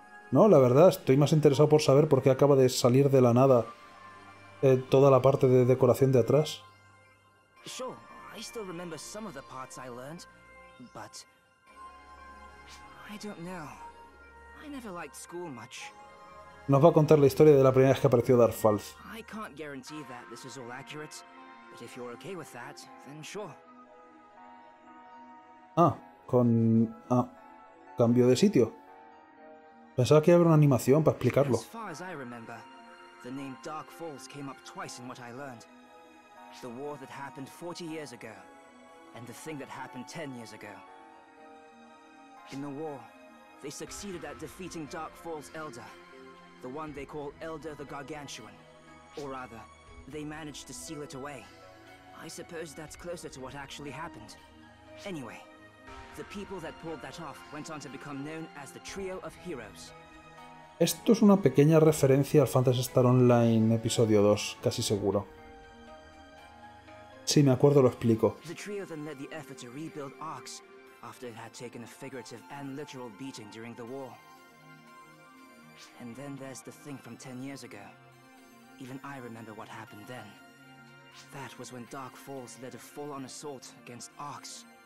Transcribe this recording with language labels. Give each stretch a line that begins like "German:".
Spanish: No, la verdad, estoy más interesado por saber por qué acaba de salir de la nada toda la parte de decoración de atrás.
English: Sure, I still remember some of the parts I learned, but I don't know. I never liked school much.
Spanish: Nos va a contar la historia de la primera vez que apareció Darth Falz.
English: I can't guarantee that this is all accurate, but if you're okay with that, then sure.
Spanish: Ah, con cambio de sitio. Pensaba que iba a haber una animación para explicarlo.
English: As far as I remember, the name Dark Falls came up twice in what I learned. The war that happened 40 years ago, and the thing that happened 10 years ago. In the war, they succeeded at defeating Dark Falls Elder, the one they call Elder the Gargantuan. Or rather, they managed to seal it away. I suppose that's closer to what actually happened. Anyway. The people that pulled that off went on to become known as the Trio of Heroes.
Spanish: Esto es una pequeña referencia al Phantasy Star Online episodio 2, casi seguro. Si me acuerdo lo explico.
English: The trio then led the effort to rebuild Arx after it had taken a figurative and literal beating during the war. And then there's the thing from 10 years ago. Even I remember what happened then. That was when Dark Falls led a full-on assault against Arx.